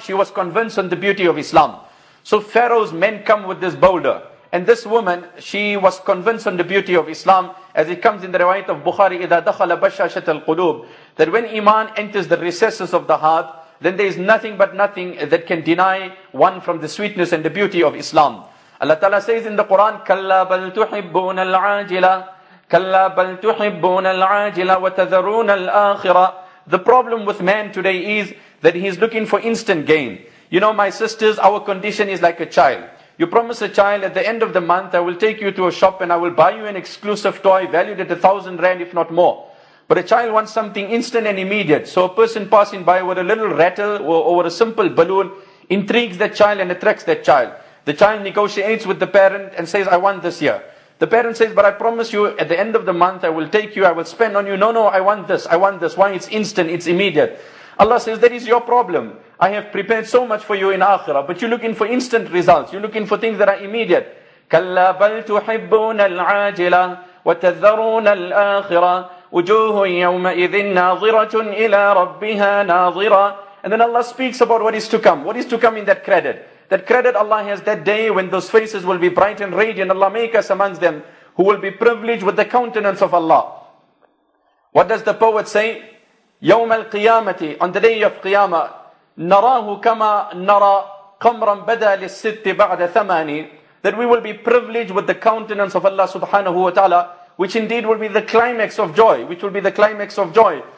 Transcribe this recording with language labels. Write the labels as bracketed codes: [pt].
[en] She was convinced on the beauty of Islam. So Pharaoh's men come with this boulder. And this woman, she was convinced on the beauty of Islam, as it comes in the riwayat of Bukhari, [ar] إِذَا دَخَلَ بَشَّاشَةَ الْقُلُوبِ, [en] that when Iman enters the recesses of the heart, then there is nothing but nothing that can deny one from the sweetness and the beauty of Islam. Allah Ta'ala says in the Quran, [ar] كَلَّا بَلْ تُحِبُّونَ الْعَاجِلَ كَلَّا بَلْ تُحِبُّونَ الْعَاجِلَ وَتَذَرُونَ الْآخِرَ. [en] The problem with man today is that he is looking for instant gain. You know, my sisters, our condition is like a child. You promise a child, at the end of the month, I will take you to a shop and I will buy you an exclusive toy valued at 1,000 rand, if not more. But a child wants something instant and immediate. So a person passing by with a little rattle or over a simple balloon intrigues that child and attracts that child. The child negotiates with the parent and says, I want this here. The parent says, but I promise you, at the end of the month, I will take you, I will spend on you. No, no, I want this, I want this. Why? It's instant, it's immediate. Allah says, that is your problem. I have prepared so much for you in Akhirah, but you're looking for instant results. You're looking for things that are immediate. [ar] كَلَّا بَلْ تُحِبُّونَ الْعَاجِلَةِ وَتَذَّرُونَ الْآخِرَةِ وُجُوهٌ يَوْمَئِذٍ نَاظِرَةٌ إِلَىٰ رَبِّهَا نَاظِرَةٌ. [en] And then Allah speaks about what is to come. What is to come in that credit? That credit Allah has that day when those faces will be bright and radiant. Allah make us amongst them who will be privileged with the countenance of Allah. What does the poet say? [ar] يَوْمَ الْقِيَامَةِ, [en] on the day of Qiyamah, [ar] نَرَاهُ كَمَا نَرَى قَمْرًا بَدَى لِلسِّتِّ بَعْدَ ثَمَانِ, [en] that we will be privileged with the countenance of Allah subhanahu wa ta'ala, which indeed will be the climax of joy, which will be the climax of joy.